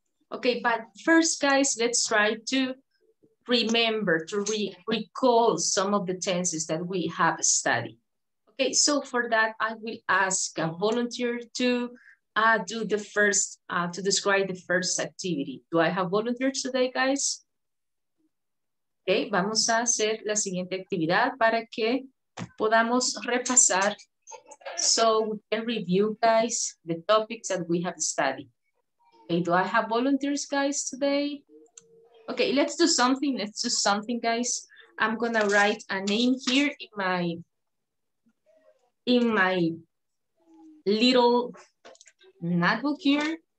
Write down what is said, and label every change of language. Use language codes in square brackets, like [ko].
[en] Okay, but first, guys, let's try to remember, to recall some of the tenses that we have studied. Okay, so for that, I will ask a volunteer to describe the first activity. Do I have volunteers today, guys? [es] Okay, vamos a hacer la siguiente actividad para que podamos repasar. [en] So we can review, guys, the topics that we have studied. Okay, do I have volunteers, guys, today? Okay, let's do something. Let's do something, guys. I'm gonna write a name here in my little notebook here.